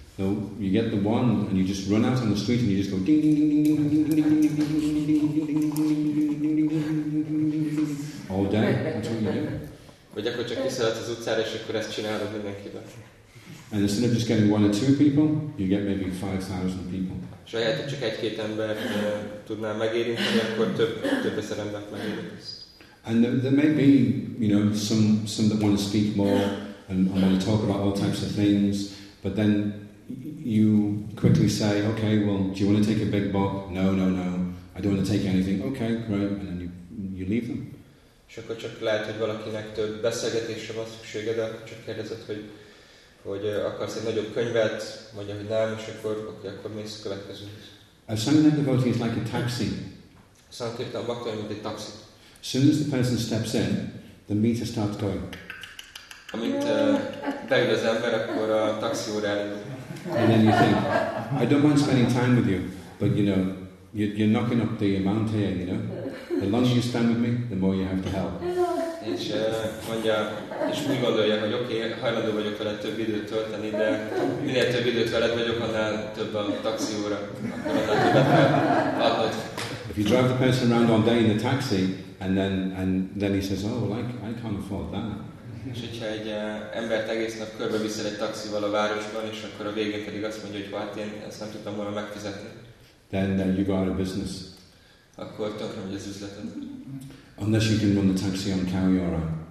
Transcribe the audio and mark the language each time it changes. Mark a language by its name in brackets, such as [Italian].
[English] No, you get the wand and you just run out on the street and you just go ding ding ding ding ding ding ding ding ding ding ding ding ding ding ding ding ding ding ding ding ding ding ding ding ding ding ding ding ding ding all day. That's what you do. [Hungarian] Vagy akkor csak kiszaladsz az utcára, és akkor ezt csinálod mindenkiben. [English] And instead of just getting one or two people, you get maybe 5,000 people. [Hungarian] És ahelyett, hogy csak egy-két ember tudnál megérinteni, akkor több ezer embert megérintesz. [English] And there may be, you know, some that want to speak more and want to talk about all types of things, but then you quickly say, okay, well, do you want to take a big book? No, I don't want to take anything. Okay, great, and then you leave them. [Hungarian] És akkor csak lehet, hogy valakinek több beszélgetésre van szüksége, de csak kérdezett, hogy akarsz egy nagyobb könyvet, mondja, hogy nem, és akkor oké, akkor mész a következő. [English] A Sankirtan devotee is like a taxi. [Hungarian] Sankirtan bhakta olyan, mint egy taxi. [English] As soon as the person steps in, the meter starts going. [Hungarian] Amint beül az ember, akkor a taxi óra elindul. [English] And then you think, I don't mind spending time with you, but you know, you're knocking up the amount here, you know. The longer you stand with me, the more you have to help. [Hungarian] És mondja, és úgy gondolja, hogy oké, hajlandó vagyok veled több időt tölteni, de minél több időt veled vagyok, annál több a taxi óra, akkor annál többet adnod. [English] If you drive the person around all day in the taxi, and then he says, oh, well, I can't afford that. [Hungarian] És hogyha egy embert egész nap körbe viszel egy taxival a városban, és akkor a végén pedig azt mondja, hogy hát én ezt nem tudtam volna megfizetni. [English] Then you go out of business. [Hungarian] Akkor tönkre megy az üzleted. [English] Unless you can run the taxi on cow urine.